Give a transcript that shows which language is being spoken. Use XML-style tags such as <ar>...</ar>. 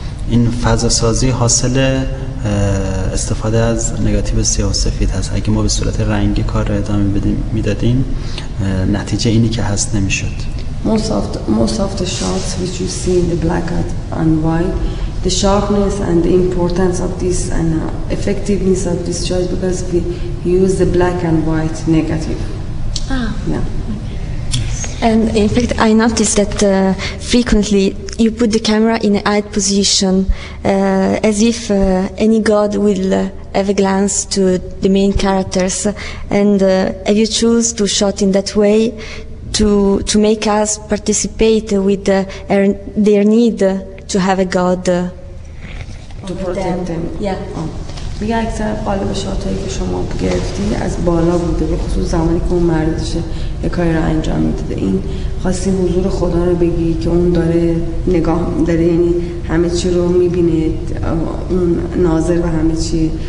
<fa>این فضا سازی حاصل استفاده از نگاتیو سیاه و سفید هست. اگه ما به صورت رنگی کار رو ادامه میدادیم نتیجه اینی که هست نمیشد.</fa> <en>Most of the shots which you see in the black and white, the sharpness and the importance of this and effectiveness of this choice because we use the black and white negative. And in fact, I noticed that frequently you put the camera in an eye position, as if any god will have a glance to the main characters. And have you choose to shot in that way to make us participate with their need to have a god to protect them? Yeah.</en> <fa>میگه اکثر قالب شات هایی که شما گرفتی از بالا بوده، به خصوص زمانی که اون مردش یک کاری رو انجام میده. این خواستی حضور خدا رو بگی که اون داره نگاه داره، یعنی همه چی رو میبینه، اون ناظر و همه چی.</fa>